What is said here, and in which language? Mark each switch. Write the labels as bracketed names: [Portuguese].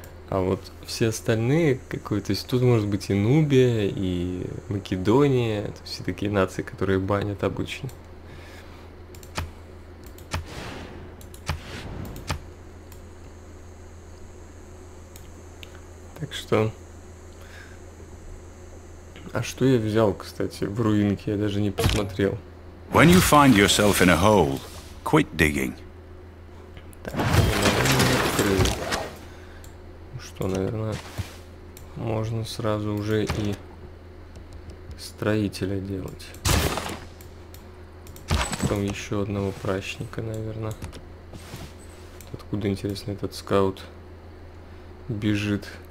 [Russian] А вот все остальные какой-то, то есть тут может быть и Нубия, и Македония, это все такие нации, которые банят обычно. Так что. А что я взял, кстати, в руинке, я даже не посмотрел. [English] When you find yourself in a hole, quit digging. [Russian] Так, что, наверное, можно сразу уже и строителя делать. Потом еще одного пращника, наверное. Откуда, интересно, этот скаут бежит?